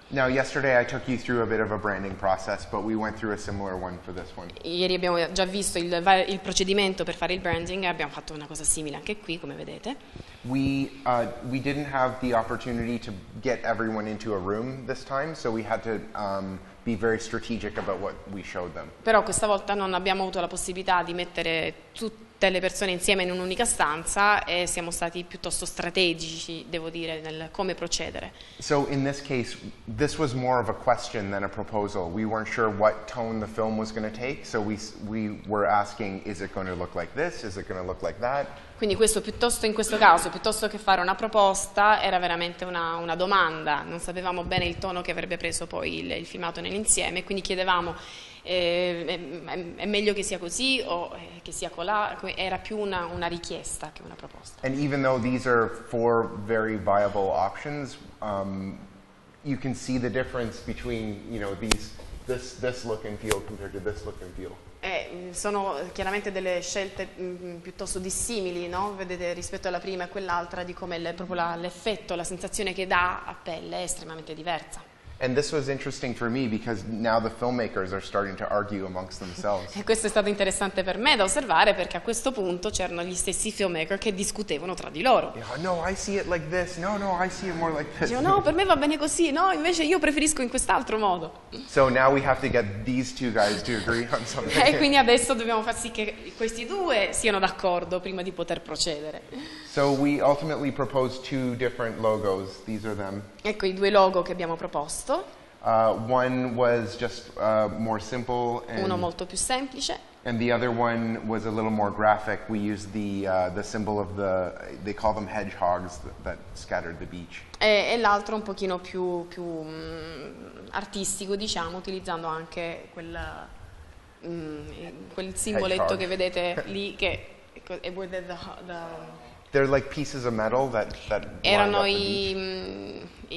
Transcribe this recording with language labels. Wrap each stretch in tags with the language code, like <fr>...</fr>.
<en>Now yesterday I took you through a bit of a branding process, but we went through a similar one for this one.</en> <it>Ieri abbiamo già visto il procedimento per fare il branding, abbiamo fatto una cosa simile anche qui, come vedete.</it> <en>We didn't have the opportunity to get everyone into a room this time, so we had to be very strategic about what we showed them.</en> <it>Però questa volta non abbiamo avuto la possibilità di mettere tutte le persone insieme in un'unica stanza e siamo stati piuttosto strategici, devo dire, nel come procedere.</it> <en>So in this case this was more of a question than a proposal. We weren't sure what tone the film was going to take, so we were asking, is it going to look like this, is it going to look like that?</en> <it>Quindi in questo caso, piuttosto che fare una proposta, era veramente una domanda. Non sapevamo bene il tono che avrebbe preso poi il filmato nell'insieme, quindi chiedevamo, è meglio che sia così o che sia colà? Era più una richiesta che una proposta.</it> <en>And even though these are four very viable options, you can see the difference between, you know, this look and feel compared to this look and feel.</en> <it>Sono chiaramente delle scelte piuttosto dissimili, no? Vedete, rispetto alla prima e quell'altra, di come proprio l'effetto, la sensazione che dà a pelle è estremamente diversa.</it> <en>And this was interesting for me because now the filmmakers are starting to argue amongst themselves.</en> <it>E questo è stato interessante per me da osservare, perché a questo punto c'erano gli stessi filmmaker che discutevano tra di loro.</it> <en>No, I see it like this. No, no, I see it more like this.</en> <it>Io no, per me va bene così. No, invece io preferisco in quest'altro modo.</it> <en>So now we have to get these two guys to agree on something.</en> <it>E quindi adesso dobbiamo far sì che questi due siano d'accordo prima di poter procedere.</it> <en>So we ultimately proposed two different logos. These are them.</en> <it>Ecco i due logo che abbiamo proposto.</it> <en>One was just more simple. And</en> <it>uno molto più semplice.</it> <en>And the other one was a little more graphic. We used the symbol of the, they call them hedgehogs, that scattered the beach.</en> <it>E l'altro un pochino più artistico, diciamo, utilizzando anche quel simboletto</it> <en>hedgehog</en> <it>che vedete lì, che è with the</it> <en>They're like pieces of metal that</en> <it>erano</it> <en>up the</en>